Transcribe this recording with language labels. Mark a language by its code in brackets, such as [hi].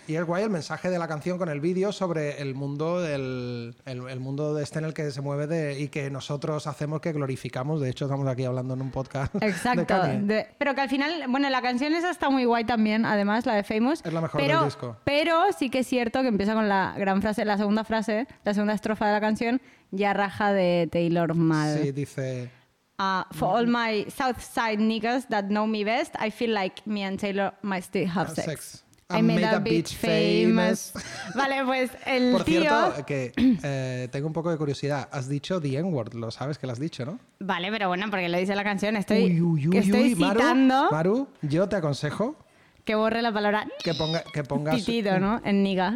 [es] Y es guay el mensaje de la canción con el vídeo sobre el mundo el mundo de este en el que se mueve y que nosotros hacemos que glorificamos. De hecho, estamos aquí hablando en un podcast. Exacto. Pero que al final, bueno, la canción esa está muy guay también, además, la de Famous. Es la mejor del disco. Pero sí que es cierto que empieza con la gran frase, la segunda estrofa de la canción, ya raja de Taylor mal. Sí, dice... [en] For all my Southside niggas that know me best, I feel like me and Taylor might still have sex. I made a bitch famous. [es] Vale, pues el por tío... Por cierto, que tengo un poco de curiosidad. Has dicho [en] the N-word, [es] lo sabes que lo has dicho, ¿no? Vale, pero bueno, porque lo dice la canción. Estoy citando... Maru, yo te aconsejo... Que borre la palabra... Que pongas pitido, ¿no? En niga.